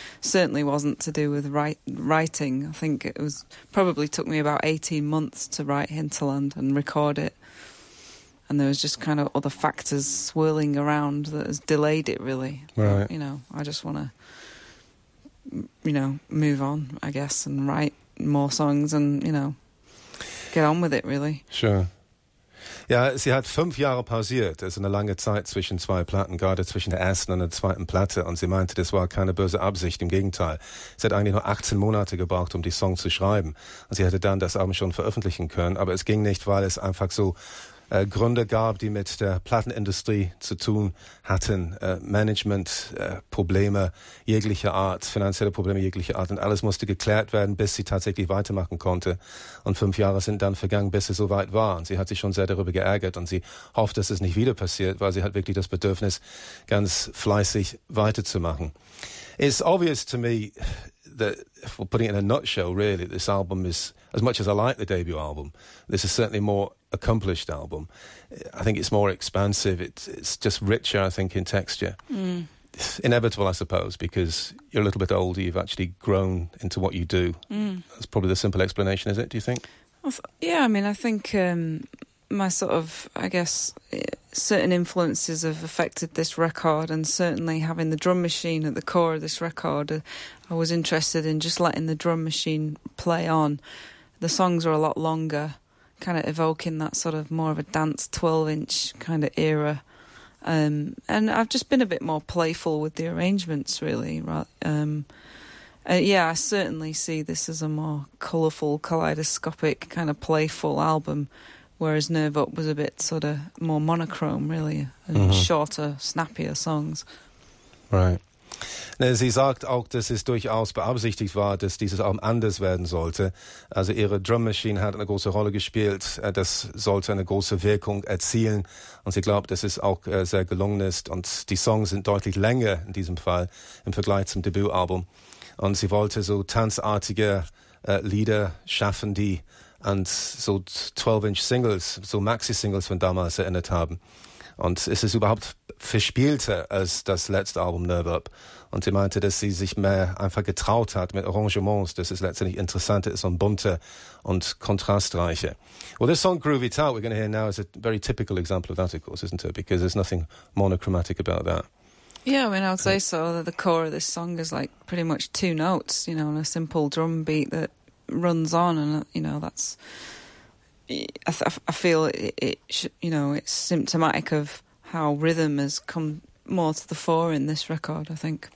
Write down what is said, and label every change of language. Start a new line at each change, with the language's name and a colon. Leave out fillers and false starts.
English: Certainly wasn't to do with writing. I think it was probably took me about 18 months to write Hinterland and record it, and there was just kind of other factors swirling around that has delayed it, really. Right. You know, I just want to, you know, move on, I guess, and write more songs and, you know, get on with it, really. Sure.
German: Ja, sie hat 5 Jahre pausiert, also eine lange Zeit zwischen 2 Platten, gerade zwischen der ersten und der zweiten Platte. Und sie meinte, das war keine böse Absicht, im Gegenteil. Sie hat eigentlich nur 18 Monate gebraucht, um die Song zu schreiben. Und sie hätte dann das Album schon veröffentlichen können. Aber es ging nicht, weil es einfach so Gründe gab, die mit der Plattenindustrie zu tun hatten. Management-Probleme jeglicher Art, finanzielle Probleme jeglicher Art. Und alles musste geklärt werden, bis sie tatsächlich weitermachen konnte. Und 5 Jahre sind dann vergangen, bis sie so weit war. Und sie hat sich schon sehr darüber geärgert. Und sie hofft, dass es nicht wieder passiert, weil sie hat wirklich das Bedürfnis, ganz fleißig weiterzumachen.
English: It's obvious to me that, well, putting it in a nutshell, really, this album is, as much as I like the debut album, this is certainly more accomplished album. I think it's more expansive. It's just richer, I think, in texture. Mm. It's inevitable, I suppose, because you're a little bit older. You've actually grown into what you do. Mm. That's probably the simple explanation, is it, do you think? Yeah, I mean, I think my sort of, I guess, certain influences have affected this record, and certainly having the drum machine at the core of this record, I was interested in just letting the drum machine play on. The songs are a lot longer, kind of evoking that sort of more of a dance 12-inch kind of era. And I've just been a bit more playful with the arrangements, really. Yeah, I certainly see this as a more colourful, kaleidoscopic, kind of playful album, whereas Nerve Up was a bit sort of more monochrome, really, and mm-hmm. shorter, snappier songs. Right.
German: Sie sagt auch, dass es durchaus beabsichtigt war, dass dieses Album anders werden sollte. Also ihre Drum Machine hat eine große Rolle gespielt. Das sollte eine große Wirkung erzielen. Und sie glaubt, dass es auch sehr gelungen ist. Und die Songs sind deutlich länger in diesem Fall im Vergleich zum Debütalbum. Und sie wollte so tanzartige Lieder schaffen, die und so 12-inch Singles, so Maxi-Singles von damals erinnert haben. Und es ist überhaupt verspielter als das letzte Album Nerve Up. Und sie meinte, dass sie sich mehr einfach getraut hat mit Arrangements, dass es letztendlich interessanter ist und bunter und kontrastreicher.
English: Well, this song Groovy Tart we're going to hear now is a very typical example of that, of course, isn't it? Because there's nothing monochromatic about that. Yeah, I mean, I'll say so. The core of this song is like pretty much two notes, you know, and a simple drum beat that runs on, and, you know, that's... I feel it's symptomatic of how rhythm has come more to the fore in this record, I think.